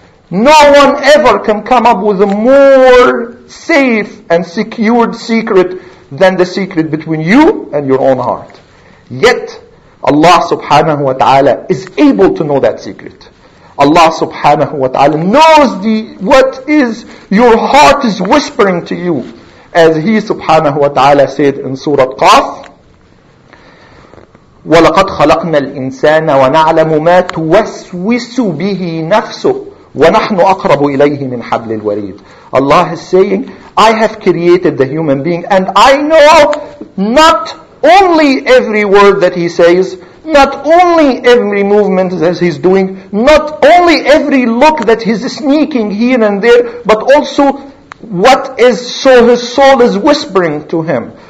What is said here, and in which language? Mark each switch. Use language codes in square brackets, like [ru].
[en] No one ever can come up with a more safe and secured secret than the secret between you and your own heart. Yet, Allah subhanahu wa ta'ala is able to know that secret. Allah subhanahu wa ta'ala knows what is your heart is whispering to you. As He subhanahu wa ta'ala said in Surah Qaf, [ar] وَلَقَدْ خَلَقْنَا الْإِنسَانَ وَنَعْلَمُ مَا تُوَسْوِسُ بِهِ نَفْسُهُ وَنَحْنُ أَقْرَبُ إِلَيْهِ مِنْ حَبْلِ الْوَرِيدِ. [en] Allah is saying, I have created the human being, and I know not only every word that he says, not only every movement that he's doing, not only every look that he's sneaking here and there, but also what is so his soul is whispering to him.